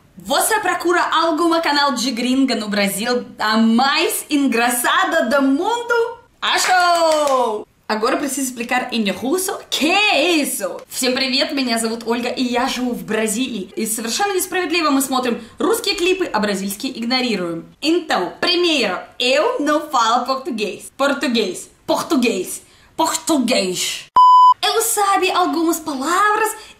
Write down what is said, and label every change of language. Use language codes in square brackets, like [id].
[pt] Você procura algum canal de gringa no Brasil? A mais engraçada do mundo? Achou! Agora preciso explicar em russo, que é isso? [ru] Всем привет, меня зовут Ольга и я живу в Бразилии. И совершенно несправедливо мы смотрим русские клипы, а бразильские игнорируем. [pt] Então, primeiro, eu não falo português. Português. Português. Português. Eu sabe algumas palavras.